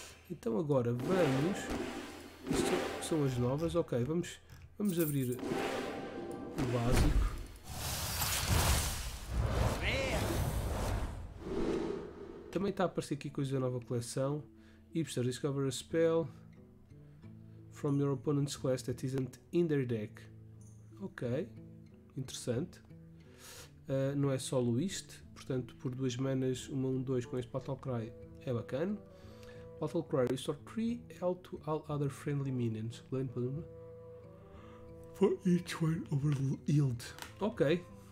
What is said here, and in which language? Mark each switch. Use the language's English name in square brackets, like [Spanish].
[Portuguese] Então agora vamos. Isto são as novas. Ok, vamos abrir o básico. Também está a aparecer aqui coisa da nova coleção. [English] Hipster, discover a spell from your opponent's class that isn't in their deck. [Portuguese] Ok, interessante. Não é solo isto, portanto por 2 manas, 1/1/2 com este Battle Cry é bacana. [English] Battle Cry, restore 3 health to all other friendly minions. Land for each one over healed. Ok.